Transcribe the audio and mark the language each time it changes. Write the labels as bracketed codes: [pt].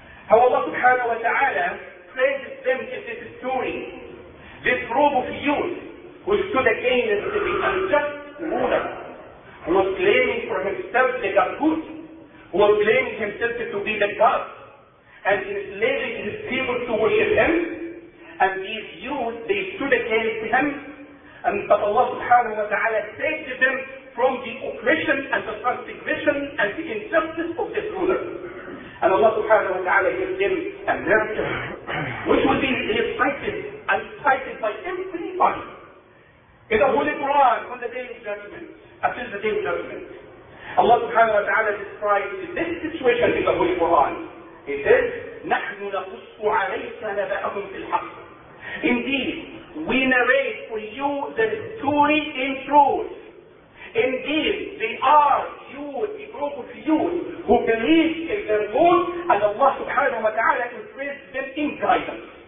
[en] How Allah subhanahu wa ta'ala praises them in this story, this group of youth who stood against the unjust ruler, who was claiming for himself the God, who was claiming himself to be the God, and enslaving his people to worship him, and these youth, they stood against him, and but Allah subhanahu wa ta'ala saved them from the oppression and the transgression and the injustice of this ruler. And Allah subhanahu wa ta'ala gives them a nurture, which will be recited and cited by everybody in the Holy Quran on the Day of Judgment, until the Day of Judgment. Allah subhanahu wa ta'ala describes this situation in the Holy Quran. He says, [ar] نَحْنُ نَقُصُّ عَلَيْكَ نَبَأَهُمْ فِي الْحَقِّ. [en] Indeed, we narrate for you the story in truth. Indeed, they are youth, a group of youth who believe in their goal, and Allah subhanahu wa ta'ala increased them in guidance.